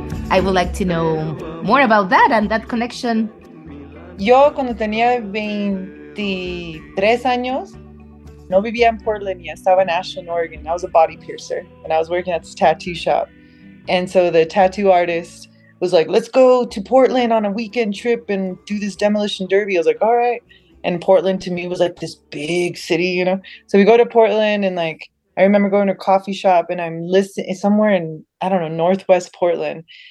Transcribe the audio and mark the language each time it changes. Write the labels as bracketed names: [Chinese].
[English] I would like to know more about that and that connection. [Spanish] Yo, cuando tenía 23 años, no vivía en Portland, ya estaba en Ashland, Oregon. [English] I was a body piercer and I was working at this tattoo shop. And so the tattoo artist was like, let's go to Portland on a weekend trip and do this demolition derby. I was like, all right. And Portland to me was like this big city, you know? So we go to Portland and like, I remember going to a coffee shop and I'm listening somewhere in, I don't know, Northwest Portland.